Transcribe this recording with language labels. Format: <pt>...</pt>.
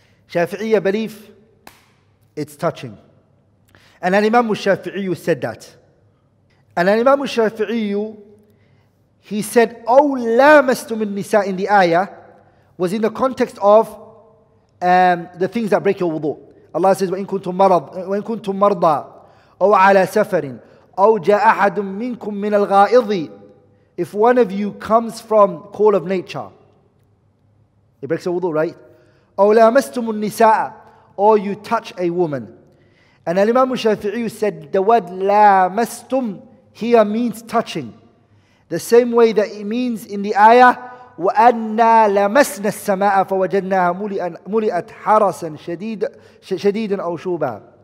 <en>Shafi'iyyah believe it's touching. And an Imam al-Shafi'iyyah said that. And an Imam al-Shafi'iyyah, he said</en> <ar>أَوْ لَامَسْتُمُ النِّسَاء</ar> <en>in the ayah was in the context of the things that break your wudu. Allah says,</en> <ar>وَإِنْ كُنْتُمْ مَرْضَى أَوْ عَلَى سَفَرٍ أَوْ جَاءَ أَحَدٌ مِّنْكُمْ مِّنَ الْغَائِضِ.</ar> <en>If one of you comes from call of nature, it breaks your wudu, right?</en> <ar>أَوْ لَامَسْتُمُ النِّسَاءَ,</ar> <en>or you touch a woman. And Al-Imam al-Shafi'i said, the word لَامَسْتُمْ here means touching. The same way that it means in the ayah,</en> <ar>وَأَنَّا لَمَسْنَا السَّمَاءَ فَوَجَدْنَاهَا مُلِئَتْ حَرَسًا شَدِيدًا أَوْ شُوبًا.</ar>